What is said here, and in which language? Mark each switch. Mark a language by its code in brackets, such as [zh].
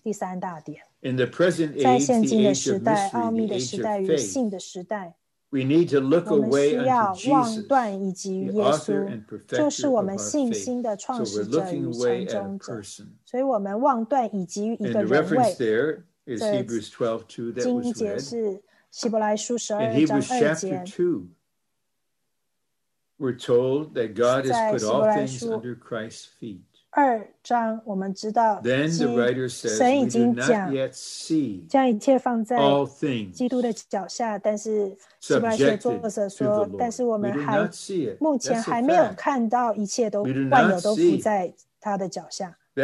[zh] 第三大点。 [en] In the present age, [zh] 在现今的时代，奥秘的时代与信的时代。 [en] We need to look away unto Jesus. [zh] 我们需要望断以及耶稣，就是我们信心的创始者与成终者。所以，我们望断以及一个人位。 [en] And the reference there is Hebrews 12:2 that was read. [zh] 经节是希伯来书十二章二节。 [en] In Hebrews chapter 2, we're told that God has put all things under Christ's feet. [zh] 二章我们知道， [en] Then the writer says, we do not yet see. [zh] 将一切放在基督的脚下，但是。希伯来书作者说，但是我们还目前还没有看到一切都万有都附在他的脚下。